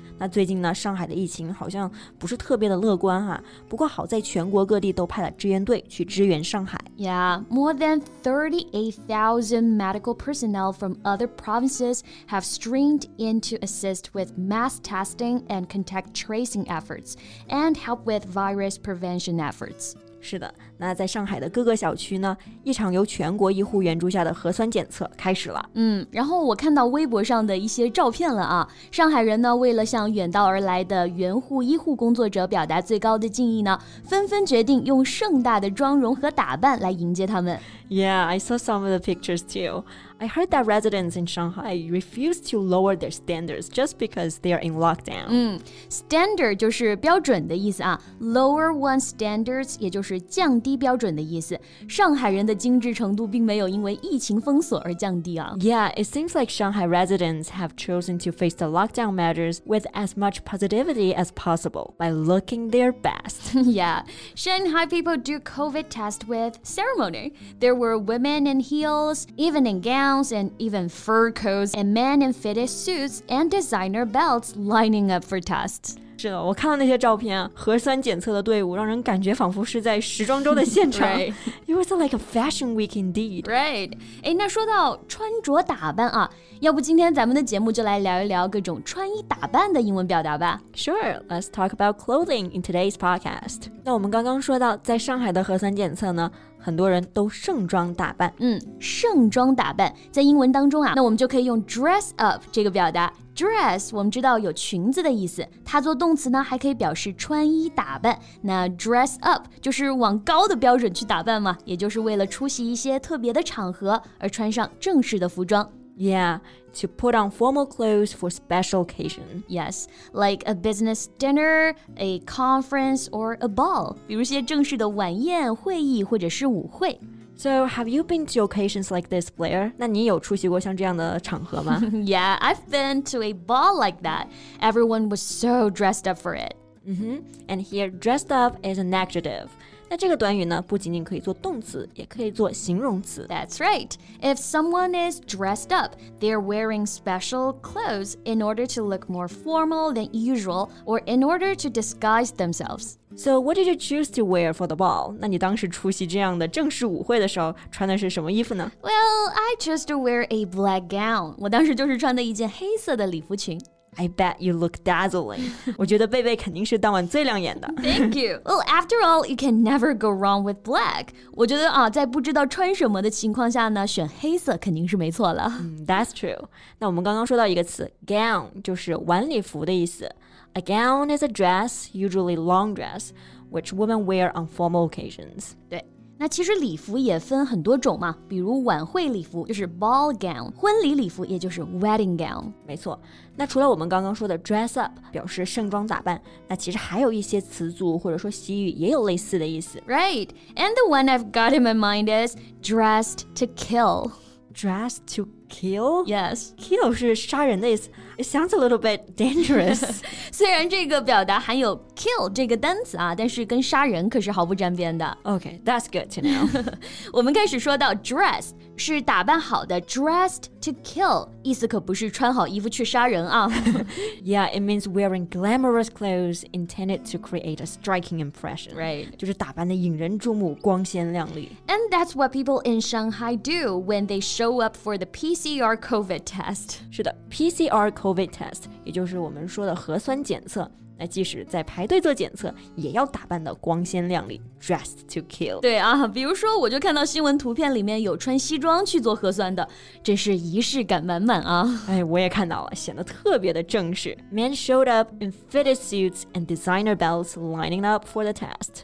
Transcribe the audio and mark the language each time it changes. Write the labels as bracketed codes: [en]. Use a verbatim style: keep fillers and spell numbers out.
[zh] 那最近呢，上海的疫情好像不是特别的乐观哈、啊。不过好在全国各地都派了支援队去支援上海。 [en] Yeah, more than thirty-eight thousand medical personnel from other provinces have streamed in to assist with mass testing and contact tracing efforts, and help with virus prevention efforts. [zh] 是的，那在上海的各个小区呢，一场由全国医护援助下的核酸检测开始了。嗯，然后我看到微博上的一些照片了啊。上海人呢，为了向远道而来的援护医护工作者表达最高的敬意呢，纷纷决定用盛大的妆容和打扮来迎接他们。 [en] Yeah, I saw some of the pictures too. I heard that residents in Shanghai refuse to lower their standards just because they are in lockdown. [zh] 嗯 standard 就是标准的意思啊 [en] lower one's standards [zh] 也就是降低标准的意思。上海人的精致程度并没有因为疫情封锁而降低啊。 [en] Yeah, it seems like Shanghai residents have chosen to face the lockdown measures with as much positivity as possible by looking their best. Yeah, Shanghai people do COVID test with ceremony. There were women in heels, evening gowns,and even fur coats and men in fitted suits and designer belts lining up for tests. [zh] 是的，我看到那些照片啊，核酸检测的队伍让人感觉仿佛是在时装周的现场。 [en] Right. It was like a fashion week indeed. Right. [zh] 诶，那说到穿着打扮啊，要不今天咱们的节目就来聊一聊各种穿衣打扮的英文表达吧。 [en] Sure, let's talk about clothing in today's podcast. [zh] 那我们刚刚说到，在上海的核酸检测呢，很多人都盛装打扮。嗯，盛装打扮在英文当中啊，那我们就可以用 dress up 这个表达。 Dress 我们知道有裙子的意思，它做动词呢还可以表示穿衣打扮。那 dress up 就是往高的标准去打扮嘛，也就是为了出席一些特别的场合而穿上正式的服装。 [en] Yeah, to put on formal clothes for special occasion. Yes, like a business dinner, a conference, or a ball. [zh] 比如些正式的晚宴、会议或者是舞会。 [en] So, have you been to occasions like this, Blair? [zh] 那你有出席过像这样的场合吗？ [en] Yeah, I've been to a ball like that. Everyone was so dressed up for it. Mm-hmm. And here, dressed up is an adjective. [zh] 那这个短语呢，不仅仅可以做动词，也可以做形容词。 [en] That's right. If someone is dressed up, they're wearing special clothes in order to look more formal than usual or in order to disguise themselves. So what did you choose to wear for the ball? [zh] 那你当时出席这样的正式舞会的时候，穿的是什么衣服呢？ [en] Well, I chose to wear a black gown. [zh] 我当时就是穿的一件黑色的礼服裙。 [en] I bet you look dazzling. [zh] 我觉得贝贝肯定是当晚最亮眼的。 [en] Thank you. Well, after all, you can never go wrong with black. [zh] 我觉得啊，在不知道穿什么的情况下呢，选黑色肯定是没错了。 [en] Mm, that's true. [zh] 那我们刚刚说到一个词 gown 就是晚礼服的意思。 [en] A gown is a dress, usually long dress, which women wear on formal occasions. [zh] 对。那其实礼服也分很多种嘛，比如晚会礼服就是 ball gown， 婚礼礼服也就是 wedding gown。没错，那除了我们刚刚说的 dress up 表示盛装打扮，那其实还有一些词组或者说习语也有类似的意思。 [en] Right, and the one I've got in my mind is dressed to kill. Dressed to kill? Yes. Kill [zh] 是杀人的意思。 [en] It sounds a little bit dangerous. [zh] 虽然这个表达含有 kill 这个单词啊，但是跟杀人可是毫不沾边的。 [en] Okay, that's good to know. [zh] 我们开始说到 dress 是打扮好的 dressed to kill, 意思可不是穿好衣服去杀人啊。 [en] Yeah, it means wearing glamorous clothes intended to create a striking impression. Right. [zh] 就是打扮得引人注目，光鲜亮丽。 [en] And that's what people in Shanghai do when they show up for the P C R COVID test. [zh] 是的 ,P C R COVID test, 也就是我们说的核酸检测。那即使在排队做检测，也要打扮得光鲜亮丽 ,dressed to kill. 对啊，比如说我就看到新闻图片里面有穿西装去做核酸的，真是仪式感满满啊。哎，我也看到了，显得特别的正式。 [en] Men showed up in fitted suits and designer belts lining up for the test.